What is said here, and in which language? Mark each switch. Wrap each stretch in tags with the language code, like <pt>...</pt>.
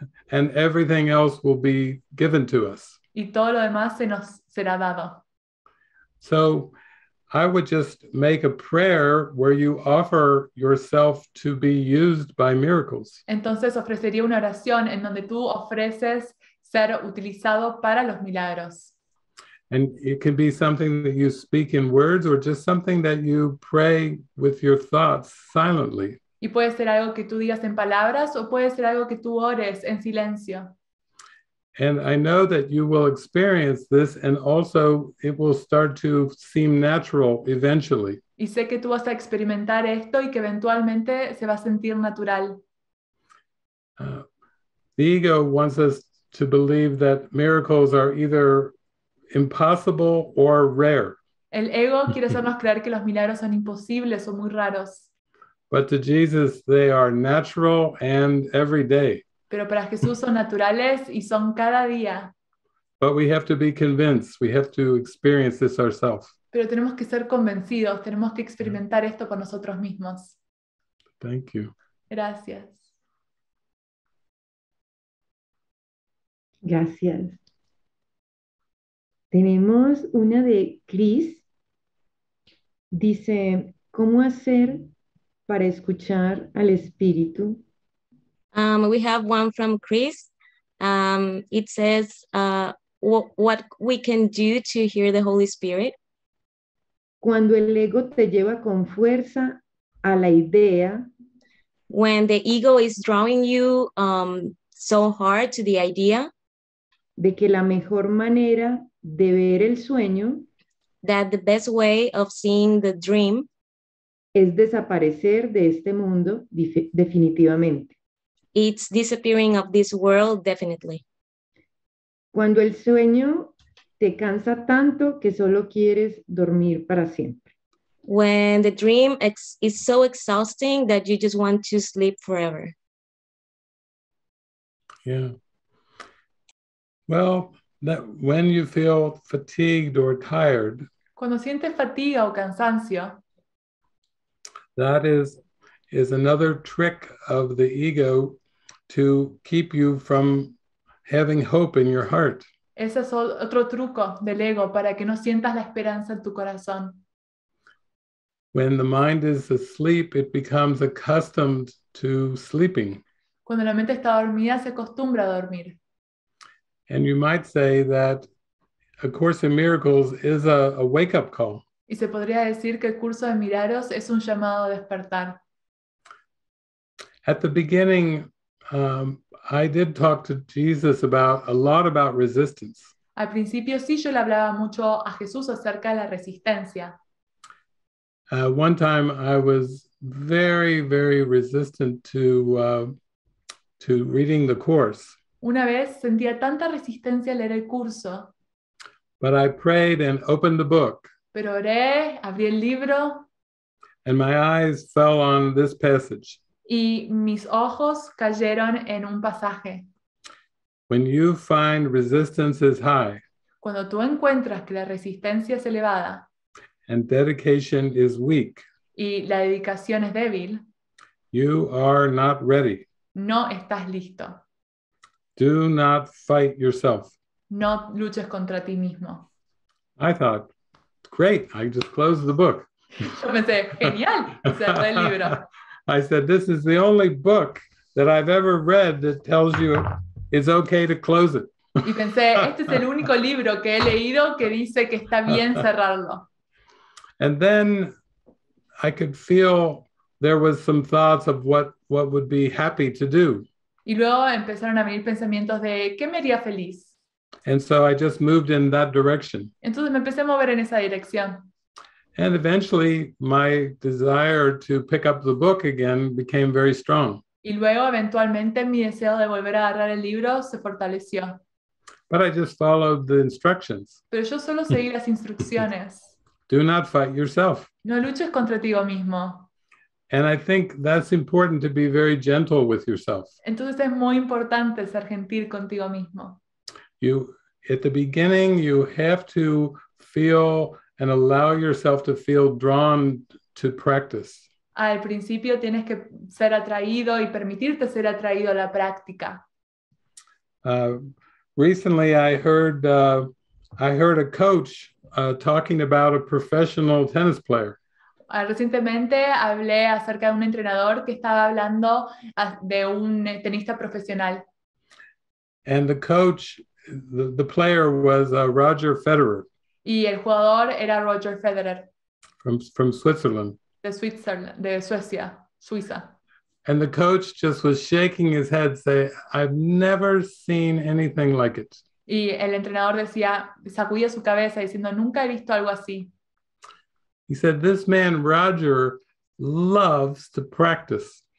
<en>And everything else will be given to us.</en> <es>Y todo lo demás se nos será dado.</es> <en>So I would just make a prayer where you offer yourself to be used by miracles.</en> <es>Entonces ofrecería una oración en donde tú ofreces ser utilizado para los milagros.</es> <en>And it can be something that you speak in words or just something that you pray with your thoughts silently.</en> <es>Y puede ser algo que tú digas en palabras o puede ser algo que tú ores en silencio.</es> <en>And I know that you will experience this, and also it will start to seem natural eventually.</en> <es>Y sé que tú vas a experimentar esto y que eventualmente se va a sentir natural.</es> <en>The ego wants us to believe that miracles are either impossible or rare.</en> <es>El ego quiere hacernos creer que los milagros son imposibles o muy raros.</es> <en>But to Jesus, they are natural and every day.</en> <es>Pero para Jesús son naturales y son cada día.</es> <en>But we have to be convinced. We have to experience this ourselves.</en> <es>Pero tenemos que ser convencidos. Tenemos que experimentar esto por nosotros mismos.</es> <en>Thank you.</en> <es>Gracias. Gracias. Tenemos una de Chris. Dice, ¿cómo hacer para escuchar al espíritu?</es> <en>We have one from Chris. It says, what we can do to hear the Holy Spirit.</en> <es>Cuando el ego te lleva con fuerza a la idea.</es> <en>When the ego is drawing you so hard to the idea.</en> <es>De que la mejor manera de ver el sueño.</es> <en>That the best way of seeing the dream.</en> <es>Es desaparecer de este mundo definitivamente.</es> <en>It's disappearing of this world, definitely.</en> <es>Cuando el sueño te cansa tanto que solo quieres dormir para siempre.</es> <en>When the dream is so exhausting that you just want to sleep forever. Yeah. Well, that when you feel fatigued or tired.</en> <es>Cuando sientes fatiga o cansancio.</es> <en>That is another trick of the ego to keep you from having hope in your heart.</en> <es>Ese es otro truco del ego para que no sientas la esperanza en tu corazón.</es> <en>When the mind is asleep, it becomes accustomed to sleeping.</en> <es>Cuando la mente está dormida, se acostumbra a dormir.</es> <en>And you might say that A Course in Miracles is a wake-up call.</en> <es>Y se podría decir que el curso de milagros es un llamado a despertar.</es> <en>At the beginning, I did talk to Jesus about resistance.</en> <es>Al principio sí yo le hablaba mucho a Jesús acerca de la resistencia.</es> <en>One time I was very, very resistant to reading the course.</en> <es>Una vez sentía tanta resistencia a leer el curso.</es> <en>But I prayed and opened the book.</en> <es>Pero oré, abrí el libro.</es> <en>And my eyes fell on this passage.</en> <es>Y mis ojos cayeron en un pasaje.</es> <en>When you find resistance is high.</en> <es>Cuando tú encuentras que la resistencia es elevada.</es> <en>And dedication is weak.</en> <es>Y la dedicación es débil.</es> <en>You are not ready.</en> <es>No estás listo.</es> <en>Do not fight yourself.</en> <es>No luches contra ti mismo.</es> <en>I thought, great, I just closed the book.</en> <es>Yo pensé, genial, cerré el libro.</es> <en>I said, this is the only book that I've ever read that tells you it's okay to close it.</en> <es>Y pensé, este es el único libro que he leído que dice que está bien cerrarlo.</es> <en>And then I could feel there was some thoughts of what would be happy to do.</en> <es>Y luego empezaron a venir pensamientos de, ¿qué me haría feliz?</es> <en>And so I just moved in that direction.</en> <es>Entonces me empecé a mover en esa dirección.</es> <en>And eventually my desire to pick up the book again became very strong.</en> <es>Y luego eventualmente mi deseo de volver a agarrar el libro se fortaleció.</es> <en>But I just followed the instructions.</en> <es>Pero yo solo seguí las instrucciones.</es> <en>Do not fight yourself.</en> <es>No luches contra ti mismo.</es> <en>And I think that's important to be very gentle with yourself.</en> <es>Entonces es muy importante ser gentil contigo mismo.</es> <en>You, at the beginning, you have to feel and allow yourself to feel drawn to practice.</en> <es>Al principio tienes que ser atraído y permitirte ser atraído a la práctica.</es> <en>Recently, I heard a coach talking about a professional tennis player.</en> <es>Recientemente hablé acerca de un entrenador que estaba hablando de un tenista profesional.</es> <en>And the coach. The player was Roger Federer.</en> <es>Y el jugador era Roger Federer.</es> <en>From Switzerland.</en> <es>De Suiza.</es> <en>And the coach just was shaking his head, saying, I've never seen anything like it.</en> <es>Y el entrenador decía, sacudía su cabeza diciendo, nunca he visto algo así.</es> <en>He said, this man, Roger, loves to practice.</en>